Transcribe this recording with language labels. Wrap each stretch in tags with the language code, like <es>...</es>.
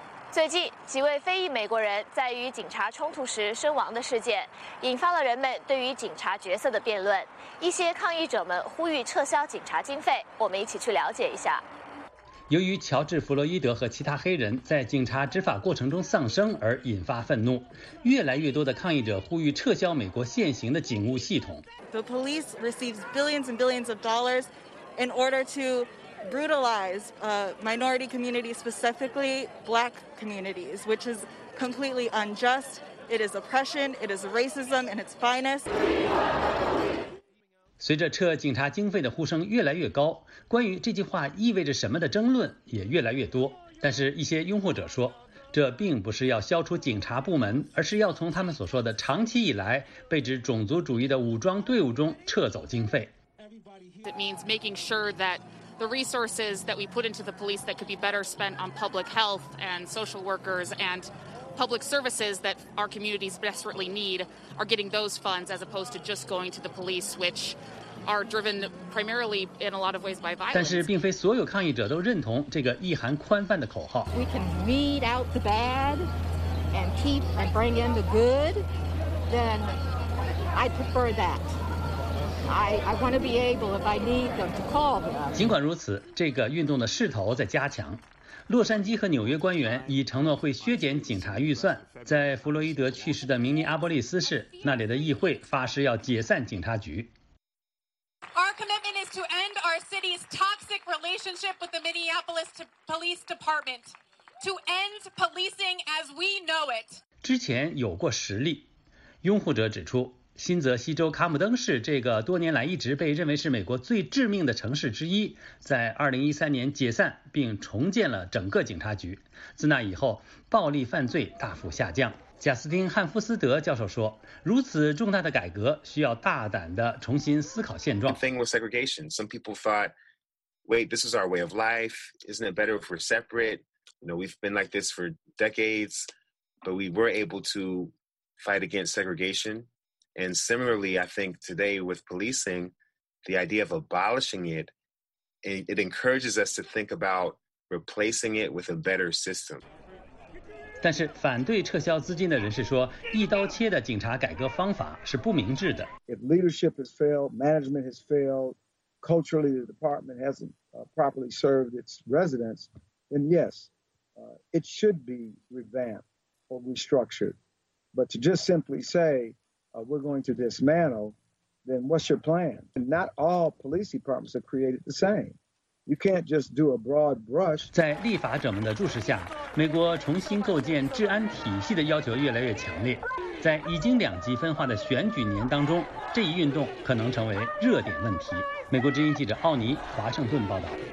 <zh>最近几位非裔美国人在与警察冲突时身亡的事件，引发了人们对于警察角色的辩论。一些抗议者们呼吁撤销警察经费，我们一起去了解一下。由于乔治·弗洛伊德和其他黑人在警察执法过程中丧生而引发愤怒，越来越多的抗议者呼吁撤销美国现行的警务系统。</zh> <en>The police receives billions and billions of dollars in order to brutalize minority communities, specifically black communities, which is completely unjust. It is oppression. It is racism in its finest.</en> <zh>随着撤警察经费的呼声越来越高，关于这句话意味着什么的争论也越来越多。但是一些拥护者说，这并不是要消除警察部门，而是要从他们所说的长期以来被指种族主义的武装队伍中撤走经费。</zh> <en>It means making sure that the resources that we put into the police that could be better spent on public health and social workers and public services that our communities desperately need are getting those funds as opposed to just going to the police, which are driven primarily in a lot of ways by violence.</en> <zh>但是并非所有抗议者都认同这个意涵宽泛的口号。</zh> <en>We can weed out the bad and keep and bring in the good, then I prefer that. I want to be able, if I need them, to call them.</en> <zh>尽管如此，这个运动的势头在加强。洛杉矶和纽约官员已承诺会削减警察预算。在弗洛伊德去世的明尼阿波利斯市，那里的议会发誓要解散警察局。</zh> <en>Our commitment is to end our city's toxic relationship with the Minneapolis Police Department, to end policing as we know it.</en> <zh>之前有过实例，拥护者指出。新泽西州卡姆登市这个多年来一直被认为是美国最致命的城市之一，在2013年解散并重建了整个警察局，自那以后暴力犯罪大幅下降。贾斯汀·汉夫斯德教授说，如此重大的改革需要大胆地重新思考现状。</zh> <en>The thing was segregation. Some people thought, wait, this is our way of life. Isn't it better if we're separate? You know, we've been like this for decades, but we were able to fight against segregation. And similarly, I think today with policing, the idea of abolishing it, it encourages us to think about replacing it with a better system.</en> <zh>但是反对撤销资金的人士说，一刀切的警察改革方法是不明智的。</zh> <en>If leadership has failed, management has failed, culturally the department hasn't properly served its residents, then yes, it should be revamped or restructured. But to just simply say,we're going to dismantle, then what's your plan? And not all police departments are created the same. You can't just do a broad brush.</en> <zh>在立法者们的注视下，美国重新构建治安体系的要求越来越强烈。在已经两极分化的选举年当中，这一运动可能成为热点问题。美国之音记者奥尼华盛顿报道。</zh>